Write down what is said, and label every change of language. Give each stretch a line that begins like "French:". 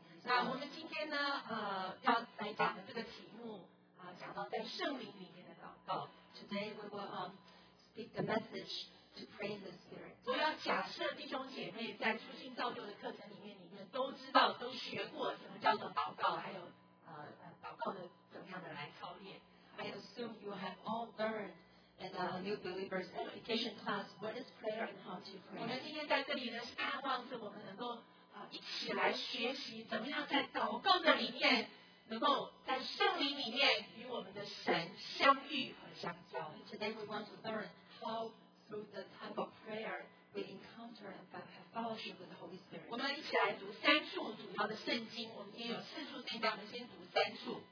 Chinese: 那我们今天呢，要来讲的这个题目，讲到在圣灵里面的祷告。
English: Today we will speak the message to pray the Spirit.
Chinese: 我要假设弟兄姐妹在初心造就的课程里面都知道，都学过什么叫做祷告，还有祷告的怎么样的来操练。
English: I assume you have all learned in the New Believers Education class what is prayer and how to pray.
Chinese: 我们今天在这里呢，是盼望是我们能够一起来学习怎么样在祷告的里面，能够在圣灵里面与我们的神相遇和相交。
English: Today we want to learn how through the type of prayer we encounter and have fellowship with the Holy Spirit.
Chinese: 我们一起来读三处主要的圣经。我们今天有四处圣经，我们先读三处。